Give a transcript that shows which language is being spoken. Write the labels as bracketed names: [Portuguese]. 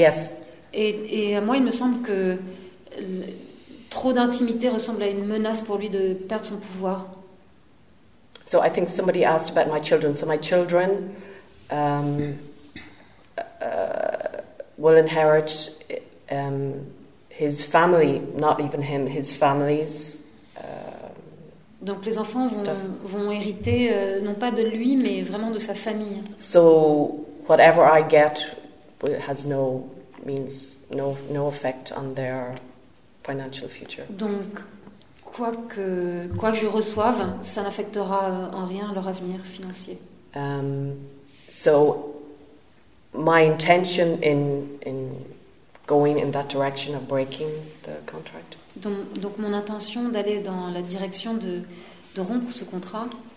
[English] Yes. [French] Et à moi, il me semble que trop d'intimité ressemble à une menace pour lui de perdre son pouvoir. [English] So I think somebody asked about my children. So my children. Will inherit his family, not even him, his family's. [French] Donc les enfants vont hériter non pas de lui mais vraiment de sa famille. [English] So whatever I get has no effect on their financial future. [French] Donc quoi que je reçoive, ça n'affectera en rien leur avenir financier. [English] So. My intention in going in that direction of breaking the contract. [French] Donc mon intention d'aller dans la direction de rompre ce contrat.